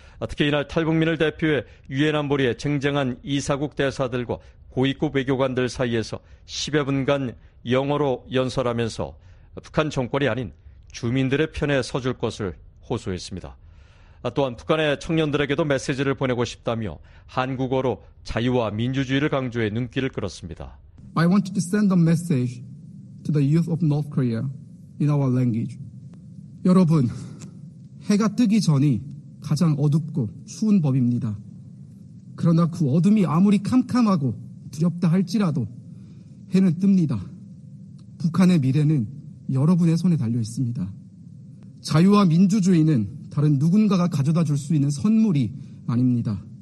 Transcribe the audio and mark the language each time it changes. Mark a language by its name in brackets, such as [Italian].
[Korean] 특히 이날 탈북민을 대표해 유엔 안보리의 쟁쟁한 이사국 대사들과 고위급 외교관들 사이에서 10여 분간 영어로 연설하면서 북한 정권이 아닌 주민들의 편에 서줄 것을 호소했습니다. 또한 북한의 청년들에게도 메시지를 보내고 싶다며 한국어로 자유와 민주주의를 강조해 눈길을 끌었습니다. [English] I want to send a message to the youth of North Korea in our language. [Korean] 여러분, 해가 뜨기 전이 가장 어둡고 추운 밤입니다. 그러나 그 어둠이 아무리 캄캄하고 두렵다 할지라도 해는 뜹니다. 북한의 미래는 여러분의 손에 달려 있습니다. 자유와 민주주의는 다른 누군가가 가져다 줄 수 있는 선물이 아닙니다.